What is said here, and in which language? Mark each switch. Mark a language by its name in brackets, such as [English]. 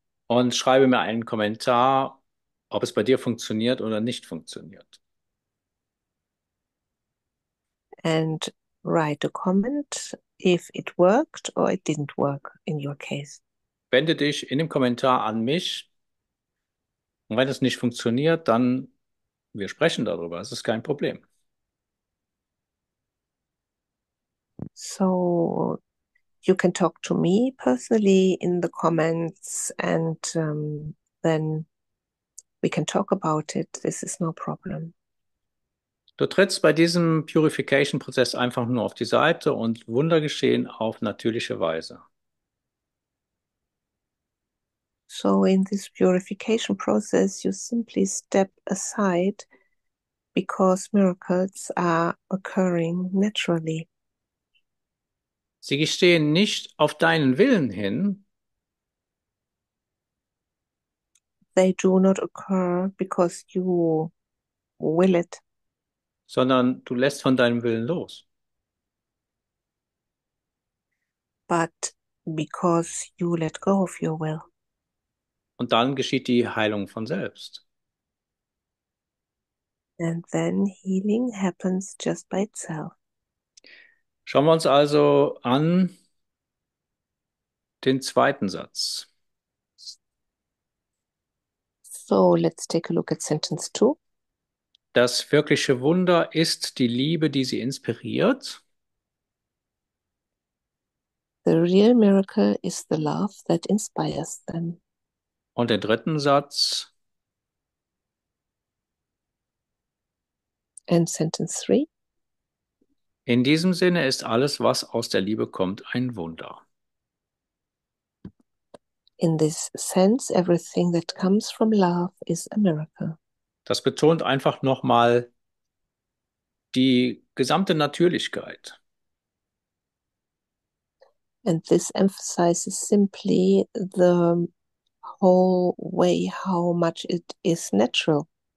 [German] Und schreibe mir einen Kommentar, ob es bei dir funktioniert oder nicht funktioniert. [English] And write a comment if it worked or it didn't work in your case. [German] Wende dich in dem Kommentar an mich. Und wenn es nicht funktioniert, dann wir sprechen darüber. Es ist kein Problem. [English] So you can talk to me personally in the comments and then we can talk about it. This is no problem. [German] Du trittst bei diesem Purification-Prozess einfach nur auf die Seite und Wunder geschehen auf natürliche Weise. [English] So in this purification process you simply step aside because miracles are occurring naturally. [German] Sie gestehen nicht auf deinen Willen hin. [English] They do not occur because you will it. [German] Sondern du lässt von deinem Willen los. [English] But because you let go of your will. [German] Und dann geschieht die Heilung von selbst. [English] And then healing happens just by itself. [German] Schauen wir uns also an den zweiten Satz. [English] So, let's take a look at sentence two. [German] Das wirkliche Wunder ist die Liebe, die sie inspiriert. [English] The real miracle is the love that inspires them. [German] Und den dritten Satz. [English] And sentence three. [German] In diesem Sinne ist alles, was aus der Liebe kommt, ein Wunder. [English] In this sense, everything that comes from love is a miracle. [German] Das betont einfach nochmal die gesamte Natürlichkeit. [English] And this emphasizes simply the whole way how much it is natural.